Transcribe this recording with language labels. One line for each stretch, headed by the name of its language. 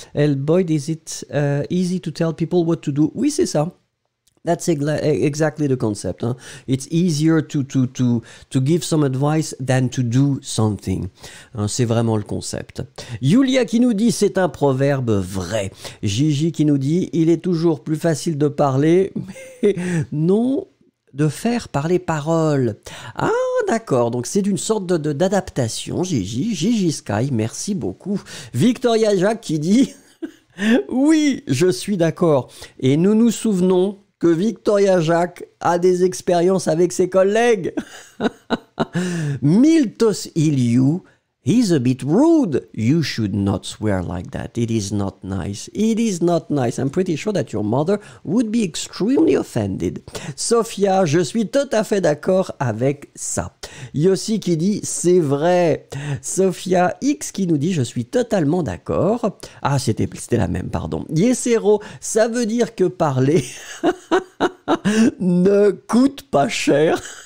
English: Hey boy, is it easy to tell people what to do?
French: Oui, c'est ça.
English: That's exactly the concept. Hein? It's easier to give some advice than to do something.
French: Hein, c'est vraiment le concept. Julia qui nous dit, c'est un proverbe vrai. Gigi qui nous dit, il est toujours plus facile de parler, mais non. De faire par les paroles. Ah, d'accord. Donc, c'est une sorte d'adaptation. Gigi, Gigi Sky, merci beaucoup. Victoria Jacques qui dit Oui, je suis d'accord. Et nous nous souvenons que Victoria Jacques a des expériences avec ses collègues.
English: Miltos Iliou, he's a bit rude. You should not swear like that. It is not nice. It is not nice. I'm pretty sure that your mother would be extremely offended.
French: Sophia, je suis tout à fait d'accord avec ça. Yossi qui dit, c'est vrai. Sophia X qui nous dit, je suis totalement d'accord. Ah, c'était la même, pardon. Yessero, ça veut dire que parler ne coûte pas cher.